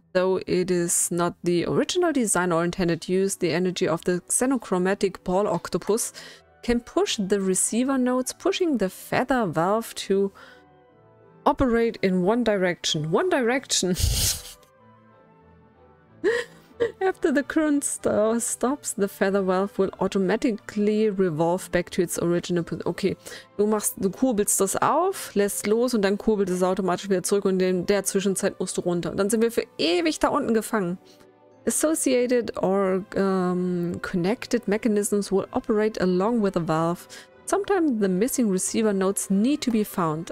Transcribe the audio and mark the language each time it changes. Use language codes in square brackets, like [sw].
[en] Though it is not the original design or intended use, the energy of the xenochromatic ball octopus can push the receiver nodes, pushing the feather valve to operate in one direction. One direction! After the current stops, the feather valve will automatically revolve back to its original position. [de] Okay, du kurbelst das auf, lässt los und dann kurbelt es automatisch wieder zurück und in der Zwischenzeit musst du runter. Und dann sind wir für ewig da unten gefangen. [en] Associated or connected mechanisms will operate along with a valve. Sometimes the missing receiver nodes need to be found.